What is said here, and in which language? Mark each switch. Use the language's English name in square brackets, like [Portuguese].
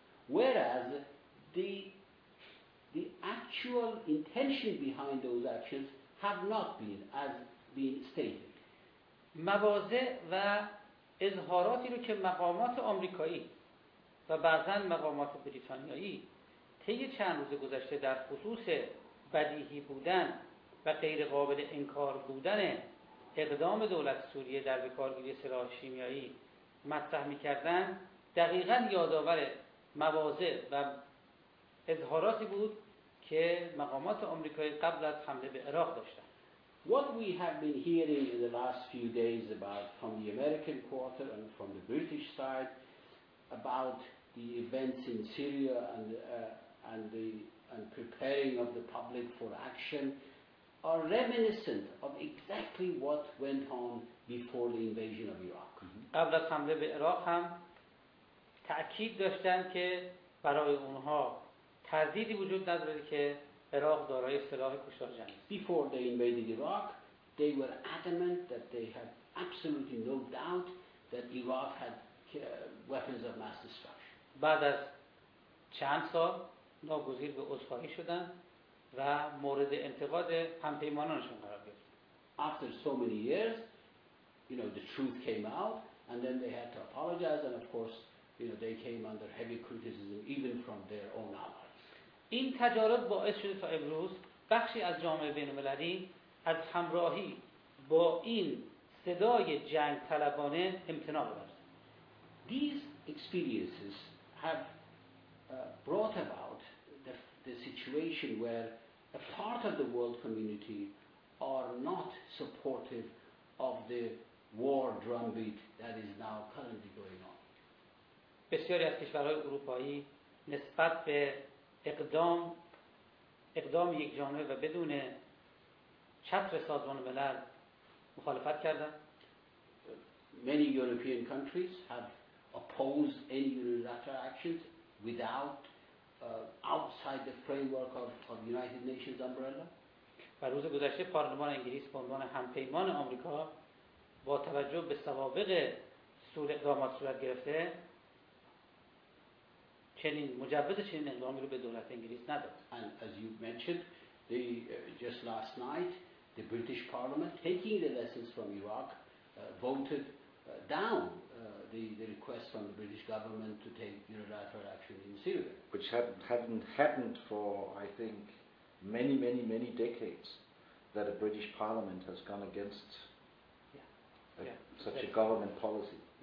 [English] whereas the actual intention behind those actions have not been as been stated. [Persian] مواضع و اظهاراتی رو که مقامات آمریکایی و بعضاً مقامات بریتانیایی طی چند روز گذشته در خصوص بدیهی بودن و غیر قابل انکار بودن اقدام دولت سوریه در بکارگیری سلاح شیمیایی مطرح می‌کردند دقیقاً یادآور مواضع و اظهاراتی بود که مقامات آمریکایی قبل از حمله به عراق داشتند. [English] What we have been hearing in the last few days about from the American quarter and from the British side about the events in Syria and preparing of the public for action are reminiscent of exactly what went on before the invasion of Iraq. [Persian] قبل از حمله به عراق هم تأکید داشتند که برای اونها تردیدی وجود ندارد که عراق دارای سلاح کشتار جنگی. [English] Before they invaded Iraq, they were adamant that they had absolutely no doubt that Iraq had weapons of mass destruction. [Persian] بعد از چند سال ناگزیر به عذرخواهی شدند و مورد انتقاد همپیمانانشون قرار گرفت. [English] After so many years, you know, the truth came out and then they had to apologize and of course, you know, they came under heavy criticism even from their own allies. [Persian] این تجارب باعث شده تا امروز بخشی از جامعه بین‌المللی از همراهی با این صدای جنگ طلبانه امتناع ورزد. [English] These experiences have brought about the situation where a part of the world community are not supportive of the war drumbeat that is now currently going on. [Persian] بسیاری از کشورهای اروپایی نسبت به اقدام یک جانبه و بدون چتر سازمان ملل مخالفت کردند. [English] Many European countries have opposed any unilateral actions without outside the framework of United Nations umbrella. [Persian] و روز گذشته پارلمان انگلیس به عنوان همپیمان آمریکا با توجه به سوابق سور اقدامات صورت گرفته چنین مجوز چنین اقدامی رو به دولت انگلیس نداد. [English] And as you mentioned, the just last night, the British Parliament, taking the lessons from Iraq, voted down the request from the British government to take unilateral action in Syria, which hadn't happened for I think many decades that a British Parliament has gone against such a government policy.